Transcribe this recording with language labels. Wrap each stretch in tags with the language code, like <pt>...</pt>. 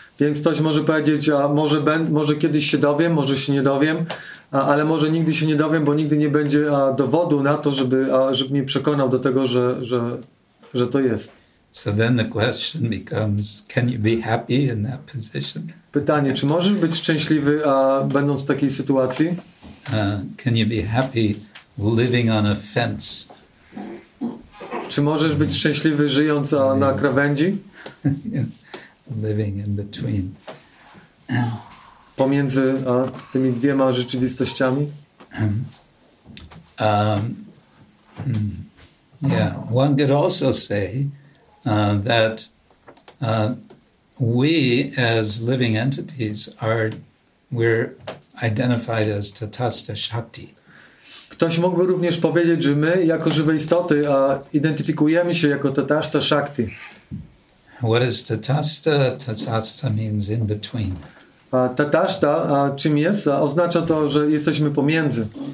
<pl>Więc ktoś może powiedzieć, może kiedyś się dowiem, może się nie dowiem, ale może nigdy się nie dowiem, bo nigdy nie będzie dowodu na to, żeby mnie przekonał do tego, że to jest.</pl> <en>So then the question becomes, can you be happy in that position?</en> <pl>Pytanie, czy możesz być szczęśliwy, będąc w takiej sytuacji?</pl> <en>Can you be happy living on a fence?</en> <pl>Czy możesz być szczęśliwy, żyjąc na krawędzi?</pl> <en>Living in between.</en> <pl>Pomiędzy tymi dwiema rzeczywistościami?</pl> <en>Yeah, one could also say, that we as living entities we're identified as tathasta shakti.</en> <pl>Ktoś mógłby również powiedzieć, że my jako żywe istoty identyfikujemy się jako tathasta shakti.</pl> <en>What is tathasta? Tathasta means in between.</en> <pl>Tathasta, czym jest? Oznacza to, że jesteśmy pomiędzy.</pl>